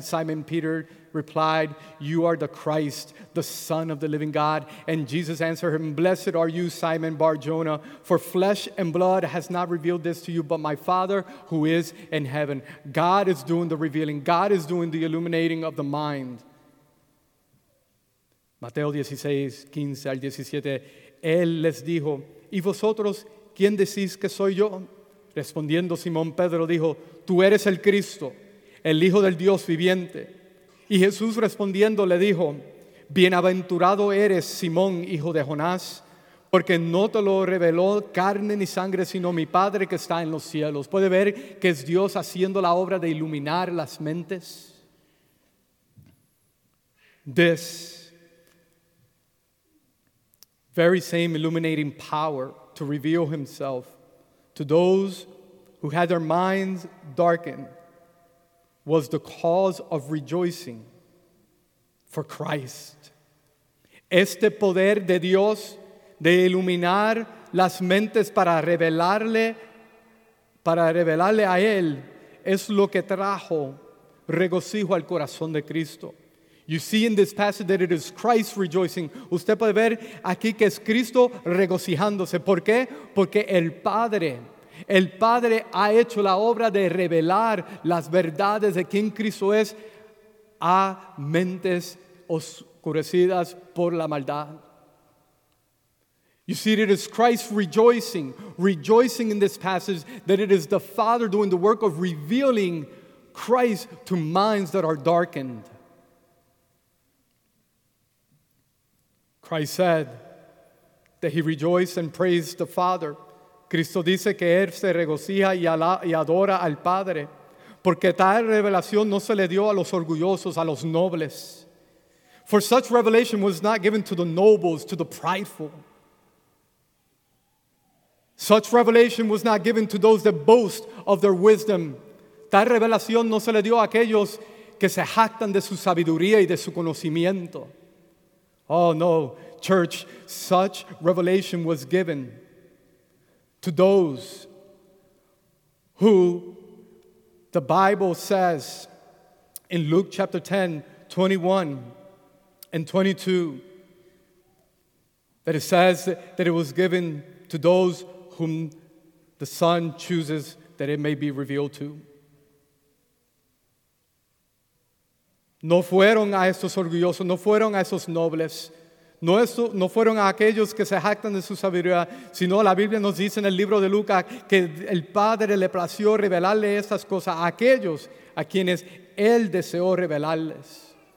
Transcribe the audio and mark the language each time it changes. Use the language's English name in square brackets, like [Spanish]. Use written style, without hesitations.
[English] Simon Peter replied, you are the Christ, the Son of the living God. And Jesus answered him, blessed are you, Simon Bar-Jonah, for flesh and blood has not revealed this to you, but my Father who is in heaven. God is doing the revealing. God is doing the illuminating of the mind. [Spanish] Mateo 16, 15 al 17, él les dijo, ¿y vosotros quién decís que soy yo? Respondiendo Simón Pedro dijo, tú eres el Cristo, el Hijo del Dios viviente. Y Jesús respondiendo le dijo, bienaventurado eres Simón, hijo de Jonás, porque no te lo reveló carne ni sangre, sino mi Padre que está en los cielos. ¿Puede ver que es Dios haciendo la obra de iluminar las mentes? [English] This very same illuminating power to reveal himself to those who had their minds darkened was the cause of rejoicing for Christ. [Spanish] Este poder de Dios de iluminar las mentes para revelarle a él es lo que trajo regocijo al corazón de Cristo. [English] You see in this passage that it is Christ rejoicing. [Spanish] Usted puede ver aquí que es Cristo regocijándose. ¿Por qué? Porque el Padre ha hecho la obra de revelar las verdades de quién Cristo es a mentes oscurecidas por la maldad. [English] You see, it is Christ rejoicing in this passage that it is the Father doing the work of revealing Christ to minds that are darkened. Christ said that he rejoiced and praised the Father. [Spanish] Cristo dice que él se regocija y adora al Padre, porque tal revelación no se le dio a los orgullosos, a los nobles. [English] For such revelation was not given to the nobles, to the prideful. Such revelation was not given to those that boast of their wisdom. [Spanish] Tal revelación no se le dio a aquellos que se jactan de su sabiduría y de su conocimiento. [English] Oh no, church, such revelation was given to those who the Bible says in Luke chapter 10, 21 and 22, that it says that it was given to those whom the Son chooses that it may be revealed to. [Spanish] No fueron a estos orgullosos, no fueron a esos nobles. No fueron a aquellos que se jactan de su sabiduría, sino la Biblia nos dice en el libro de Lucas que el Padre le plació revelarle estas cosas a aquellos a quienes él deseó revelarles.